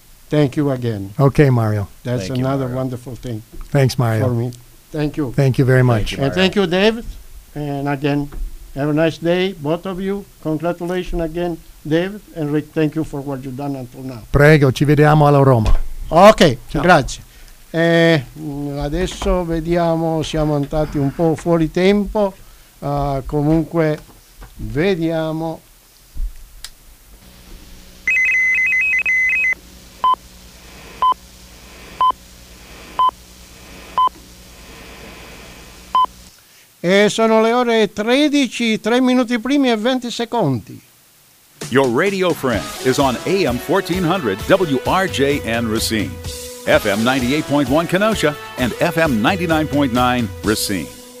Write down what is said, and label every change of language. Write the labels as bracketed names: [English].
[English] Thank you again. Okay, Mario. That's thank another you, Mario. Wonderful thing. Thanks, Mario. For me. Thank you. Thank you very much. Thank you, and thank you, David. And again, have a nice day, both of you. Congratulations again, David and Rick. Thank you for what you've done until now. [Italian] Prego, ci vediamo alla Roma. Ok, ciao. Grazie. Adesso vediamo, siamo andati un po' fuori tempo. Comunque, vediamo. E sono le ore 13, 3 minuti primi e 20 secondi. [English] Your radio friend is on AM 1400 WRJN Racine, FM 98.1 Kenosha, and FM 99.9 Racine.